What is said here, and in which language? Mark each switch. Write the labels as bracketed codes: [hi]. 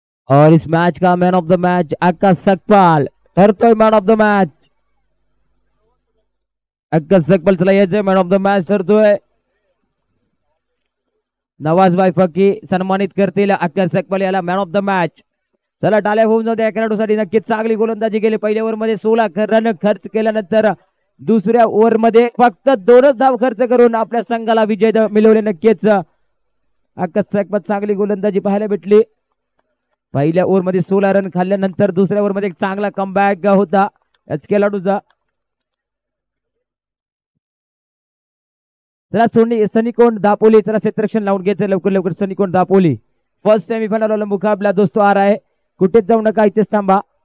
[hi] और इस मैच का मैन ऑफ द मैच अक्का सकपाल, करते हैं मैन ऑफ द मैच. अक्का सकपाल चलाइए मैन ऑफ द मैच, करते हैं [mr] नवाज भाई फकी सन्मानित करतील अख्खर सकपाल याला मॅन ऑफ द मॅच. चला टाळ्या होऊन जाते 11 साठी. नक्कीच चांगली गोलंदाजी केली पहिल्या ओव्हर मध्ये 16 रन खर्च केल्यानंतर दुसऱ्या ओव्हर मध्ये फक्त 2 धाव खर्च करून आपल्या संघाला विजय मिळवले. नक्कीच अक्कसकपत चांगली गोलंदाजी पाहायला भेटली. पहिल्या ओव्हर मध्ये 16 रन खाल्ल्यानंतर दुसऱ्या ओव्हर मध्ये एक चांगला कमबॅक होता एच के लाडूचा. चला सोनी सनिकोंड दापोली चला क्षेत्ररक्षण लावून घ्यायचं लवकर लवकर. [hi] सनिकोंड दापोली फर्स्ट सेमीफायनल वाला मुकाबला दोस्तों आ रहा है. [mr] कुठेच जाऊ नका इथेच थांबा.